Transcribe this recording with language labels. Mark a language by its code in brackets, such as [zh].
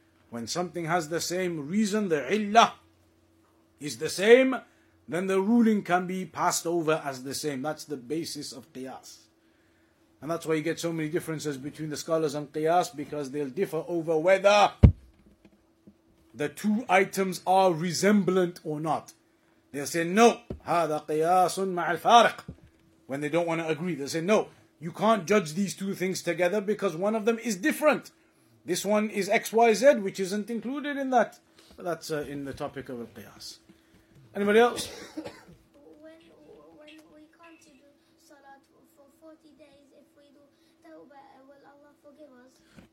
[en] When something has the same reason, the illah is the same, then the ruling can be passed over as the same. That's the basis of qiyas. And that's why you get so many differences between the scholars and qiyas, because they'll differ over whether the two items are resemblant or not. They say no, [ar] هذا قياس مع الفارق. [en] When they don't want to agree, they say no, you can't judge these two things together because one of them is different. This one is XYZ, which isn't included in that. But that's in the topic of al-qiyas. Anybody else? When we can't do salat for 40 days, if we do tawbah, will Allah forgive us?